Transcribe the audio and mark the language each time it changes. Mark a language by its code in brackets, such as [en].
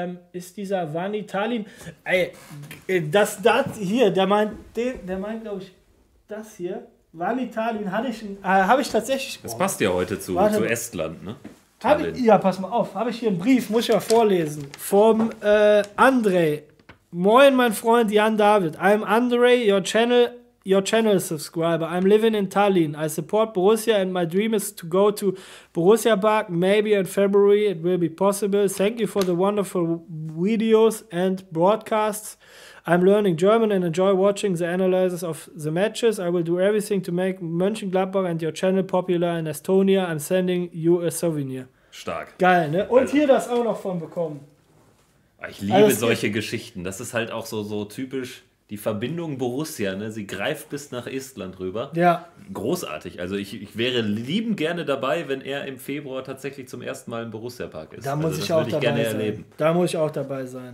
[de] Ist dieser Vani Talin, ey, der meint glaube ich das hier, Vani Talin habe ich tatsächlich, das passt ja heute zu Estland, ne? Habe ich hier einen Brief, muss ich mal vorlesen, vom Andrei. Moin mein Freund Jan David, [en] I'm Andrei, your channel subscriber, I'm living in Tallinn, I support Borussia and my dream is to go to Borussia Park, maybe in February it will be possible, thank you for the wonderful videos and broadcasts, I'm learning German and enjoy watching the analysis of the matches, I will do everything to make Mönchengladbach and your channel popular in Estonia, I'm sending you a souvenir. [de] Stark. Geil, ne? Und hier das auch noch von bekommen. Ich liebe solche Geschichten, das ist halt auch so typisch. Die Verbindung Borussia, ne, sie greift bis nach Estland rüber. Ja. Großartig. Also ich wäre liebend gerne dabei, wenn er im Februar tatsächlich zum ersten Mal im Borussia-Park ist. Da muss also ich auch dabei gerne sein. Erleben. Da muss ich auch dabei sein.